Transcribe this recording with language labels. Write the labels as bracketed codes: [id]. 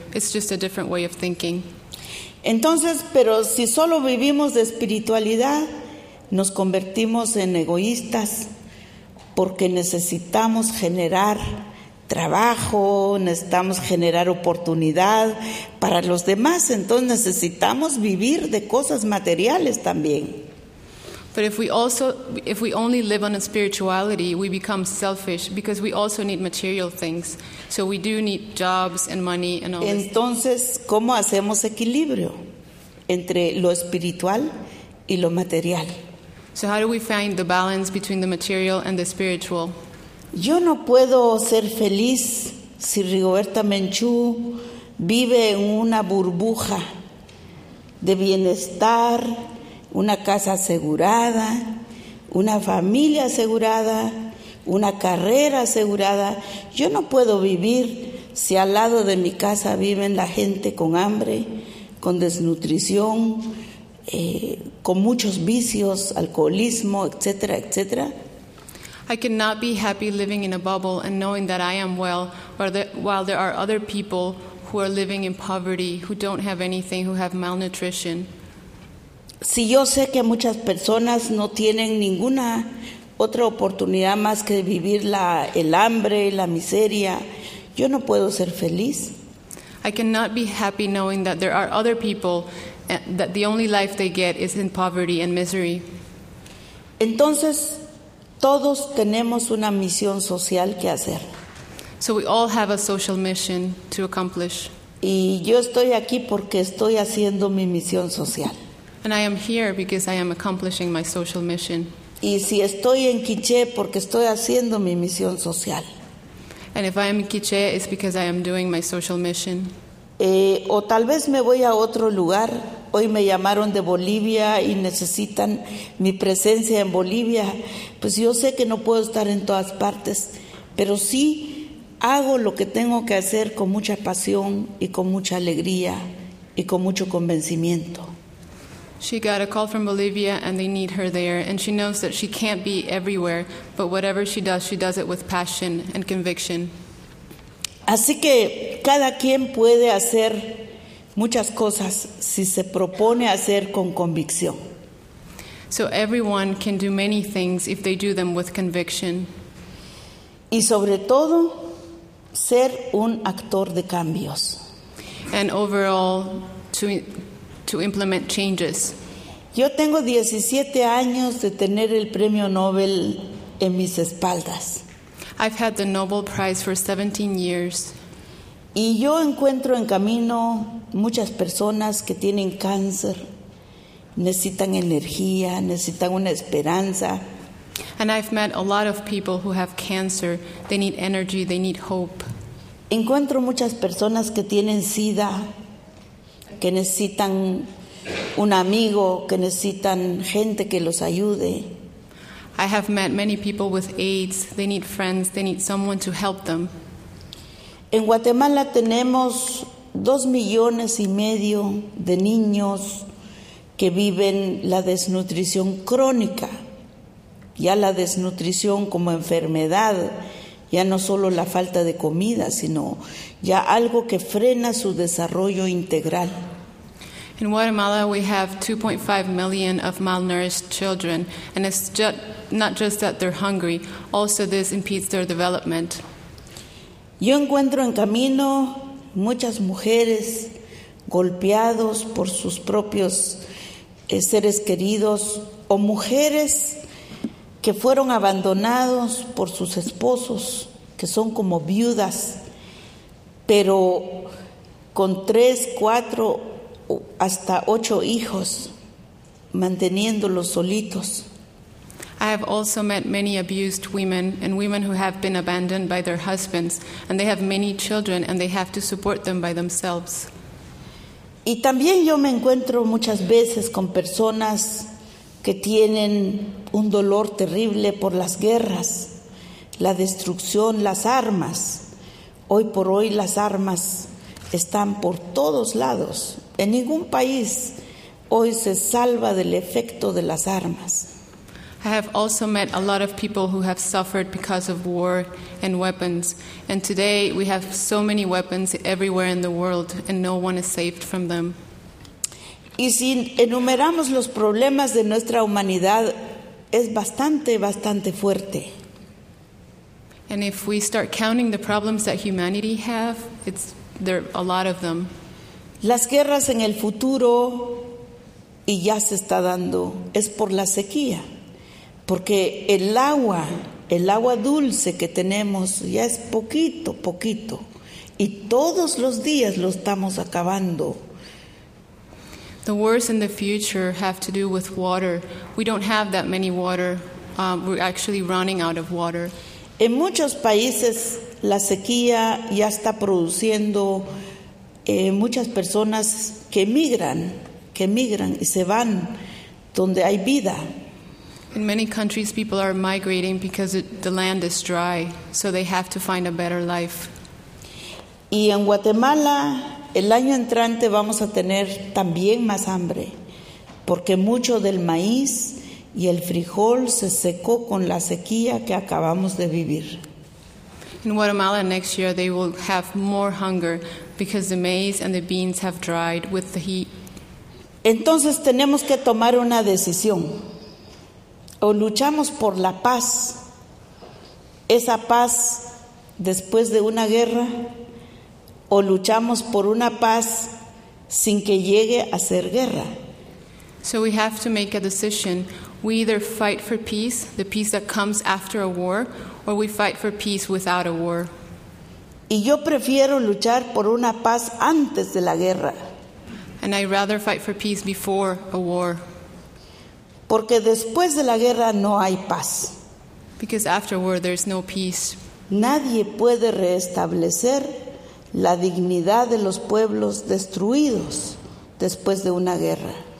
[en] It's just a different way of thinking. [es] Entonces, pero si solo vivimos de espiritualidad, nos convertimos en egoístas porque necesitamos generar trabajo, necesitamos generar oportunidad para los demás, entonces necesitamos vivir de cosas materiales también. [en] But if we only live on a spirituality, we become selfish because we also need material things. So we do need jobs and money and all. [es] Entonces, ¿cómo hacemos equilibrio entre lo espiritual y lo material? [en] So how do we find the balance between the material and the spiritual? [es] Yo no puedo ser feliz si Rigoberta Menchú vive en una burbuja de bienestar, una casa asegurada, una familia asegurada, una carrera asegurada. Yo no puedo vivir si al lado de mi casa viven la gente con hambre, con desnutrición, con muchos vicios, alcoholismo, etcétera, etcétera. [en] I cannot be happy living in a bubble and knowing that I am well, while there are other people who are living in poverty, who don't have anything, who have malnutrition. [es] Si yo sé que muchas personas no tienen ninguna otra oportunidad más que vivir el hambre, la miseria, yo no puedo ser feliz. [en] I cannot be happy knowing that there are other people that the only life they get is in poverty and misery. [es] Entonces, todos tenemos una misión social que hacer. [en] So we all have a social mission to accomplish. [es] Y yo estoy aquí porque estoy haciendo mi misión social. [en] And I am here because I am accomplishing my social mission. [es] Y si estoy en Quiché porque estoy haciendo mi misión social. [en] And if I am in Quiché, it's because I am doing my social mission. [es] O tal vez me voy a otro lugar. Hoy me llamaron de Bolivia y necesitan mi presencia en Bolivia. Pues yo sé que no puedo estar en todas partes, pero sí hago lo que tengo que hacer con mucha pasión y con mucha alegría y con mucho convencimiento. [en] She got a call from Bolivia and they need her there, and she knows that she can't be everywhere, but whatever she does it with passion and conviction. [es] Así que cada quien puede hacer muchas cosas si se propone hacer con convicción. [en] So everyone can do many things if they do them with conviction. [es] Y sobre todo, ser un actor de cambios. [en] And overall, to implement changes. [es] Yo tengo 17 años de tener el premio Nobel en mis espaldas. [en] I've had the Nobel Prize for 17 years. [es] Y yo encuentro en camino muchas personas que tienen cáncer, necesitan energía, necesitan una esperanza. [en] And I've met a lot of people who have cancer. They need energy, they need hope. [es] Encuentro muchas personas que tienen SIDA, que necesitan un amigo, que necesitan gente que los ayude. [en] I have met many people with AIDS. They need friends, they need someone to help them. [es] En Guatemala tenemos 2.5 millones de niños que viven la desnutrición crónica. Ya la desnutrición como enfermedad, ya no solo la falta de comida, sino ya algo que frena su desarrollo integral. [en] In Guatemala, we have 2.5 million of malnourished children, and it's not just that they're hungry, also this impedes their development. [es] Yo encuentro en camino muchas mujeres golpeadas por sus propios seres queridos o mujeres que fueron abandonadas por sus esposos, que son como viudas, pero con 3, 4, hasta 8 hijos, manteniéndolos solitos. [en] I have also met many abused women and women who have been abandoned by their husbands, and they have many children and they have to support them by themselves. [es] Y también yo me encuentro muchas veces con personas que tienen un dolor terrible por las guerras, la destrucción, las armas. Hoy por hoy las armas están por todos lados. En ningún país hoy se salva del efecto de las armas. [en] I have also met a lot of people who have suffered because of war and weapons. And today we have so many weapons everywhere in the world and no one is saved from them. [es] Y si enumeramos los problemas de nuestra humanidad, es bastante, bastante fuerte. [en] And if we start counting the problems that humanity have, there are a lot of them. [es] Las guerras en el futuro, y ya se está dando, es por la sequía. Porque el agua dulce que tenemos, ya es poquito, poquito. Y todos los días lo estamos acabando. [en] The wars in the future have to do with water. We don't have that many water. We're actually running out of water. [es] En muchos países, la sequía ya está produciendo muchas personas que emigran y se van donde hay vida. [en] In many countries, people are migrating because the land is dry, so they have to find a better life. [es] Y en Guatemala, el año entrante vamos a tener también más hambre, porque mucho del maíz y el frijol se secó con la sequía que acabamos de vivir. [en] In Guatemala next year they will have more hunger because the maize and the beans have dried with the heat. [es] Entonces tenemos que tomar una decisión. O luchamos por la paz. Esa paz después de una guerra. O luchamos por una paz sin que llegue a ser guerra. [en] So we have to make a decision. We either fight for peace, the peace that comes after a war, or we fight for peace without a war. [es] Y yo prefiero luchar por una paz antes de la guerra. [en] And I rather fight for peace before a war. [es] Porque después de la guerra no hay paz. [en] Because after war there's no peace. [es] Nadie puede restablecer la dignidad de los pueblos destruidos después de una guerra.